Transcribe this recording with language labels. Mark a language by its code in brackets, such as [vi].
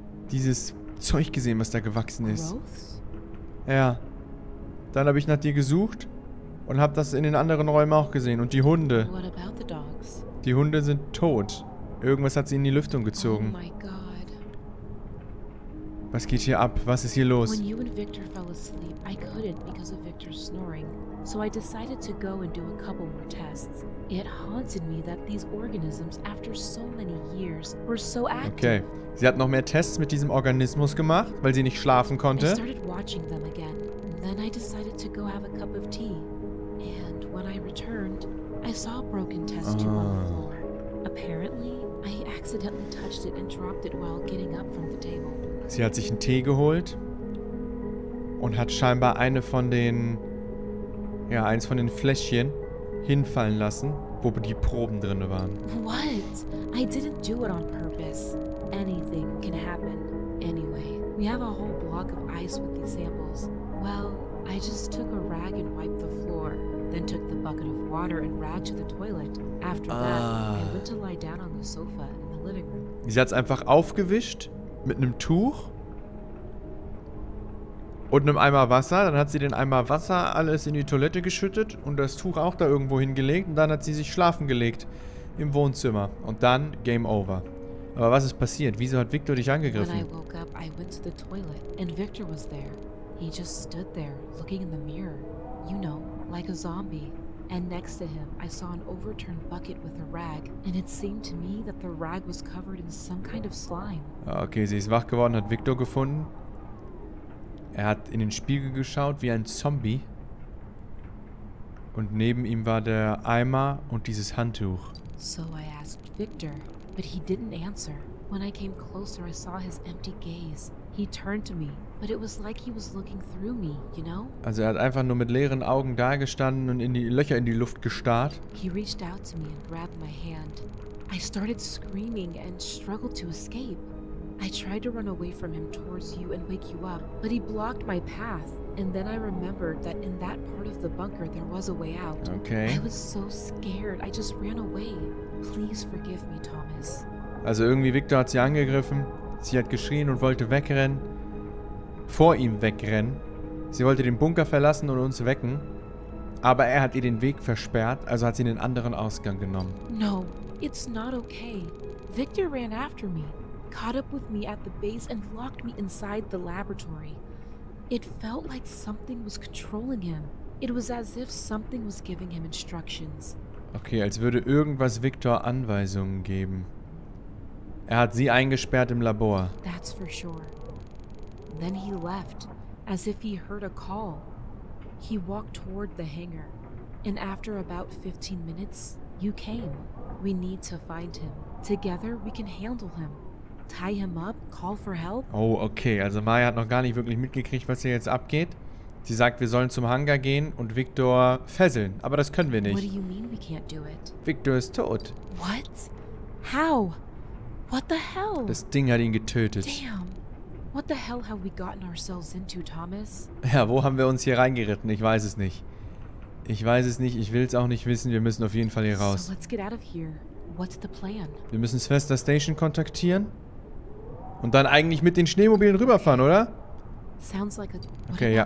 [de] dieses Zeug gesehen, was da gewachsen ist. Ja. Dann habe ich nach dir gesucht und habe das in den anderen Räumen auch gesehen. Und die Hunde. Die Hunde sind tot. Irgendwas hat sie in die Lüftung gezogen. Was geht hier ab? Was ist hier los? [en] When you and Victor fell asleep, I couldn't because of Victor's snoring. So I decided to go and do a couple more tests. It haunted me that these organisms, after so many years, were so active. Okay. [de] Sie hat noch mehr Tests mit diesem Organismus gemacht, weil sie nicht schlafen konnte. [en] I started watching them again. Then I decided to go have a cup of tea. And when I returned, I saw a broken test tube on the floor. Apparently, I accidentally touched it and dropped it while getting up from the table. [de] Sie hat sich einen Tee geholt und hat scheinbar eine von den, ja, eins von den Fläschchen hinfallen lassen, wo die Proben drin waren. [en] What? I didn't do it on purpose. Anything can happen. Anyway, we have a whole block of ice with these samples. Well, I just took a rag and wiped the floor, then took the bucket of water and rag to the toilet. After that, I went to lie down on the sofa in the living room. [de] Sie hat's einfach aufgewischt mit einem Tuch und einem Eimer Wasser. Dann hat sie den Eimer Wasser alles in die Toilette geschüttet und das Tuch auch da irgendwo hingelegt. Und dann hat sie sich schlafen gelegt im Wohnzimmer. Und dann Game Over. Aber was ist passiert? Wieso hat Victor dich angegriffen? [en] When I woke up, I went to the toilet and Victor was there. He just stood there, looking in the mirror. You know, like a zombie. And next to him, I saw an overturned bucket with a rag. And it seemed to me that the rag was covered in some kind of slime. [de] Okay, sie ist wach geworden, hat Victor gefunden. Er hat in den Spiegel geschaut, wie ein Zombie. Und neben ihm war der Eimer und dieses Handtuch. [en] So I asked Victor, but he didn't answer. When I came closer, I saw his empty gaze. He turned to me. But it was like he was looking through me, you know? [de] Also er hat einfach nur mit leeren Augen dagestanden und in die Löcher in die Luft gestarrt. [en] He reached out to me and grabbed my hand. I started screaming and struggled to escape. I tried to run away from him towards you and wake you up, but he blocked my path. And then I remembered that in that part of the bunker there was a way out. Okay. I was so scared. I just ran away. Please forgive me, Thomas. [de] Also irgendwie Victor hat sie angegriffen. Sie hat geschrien und wollte wegrennen. Vor ihm wegrennen. Sie wollte den Bunker verlassen und uns wecken, aber er hat ihr den Weg versperrt, also hat sie einen anderen Ausgang genommen. [en] No, it's not okay. Victor ran after me, caught up with me at the base and locked me inside the laboratory. It felt like something was controlling him. It was as if something was giving him instructions. [de] Okay, als würde irgendwas Victor Anweisungen geben. Er hat sie eingesperrt im Labor. [en] That's for sure. Then he left, as if he heard a call. He walked toward the hangar, and after about 15 minutes, you came. We need to find him. Together we can handle him. Tie him up, call for help. [de] Oh, okay, also Maya hat noch gar nicht wirklich mitgekriegt, was hier jetzt abgeht. Sie sagt, wir sollen zum Hangar gehen und Victor fesseln, aber das können wir nicht. [en] What do you mean we can't do it? [de] Victor ist tot. [en] What? How? What the hell? [de] Das Ding hat ihn getötet. [en] Damn. What the hell have we gotten ourselves into, Thomas? [de] Ja, wo haben wir uns hier reingeritten? Ich weiß es nicht. Ich weiß es nicht, ich will es auch nicht wissen. Wir müssen auf jeden Fall hier raus. [en] So let's get out of here. What's the plan? [de] Wir müssen Svesta Station kontaktieren. Und dann eigentlich mit den Schneemobilen rüberfahren, oder? [en] Sounds like a... [de] Okay, ja.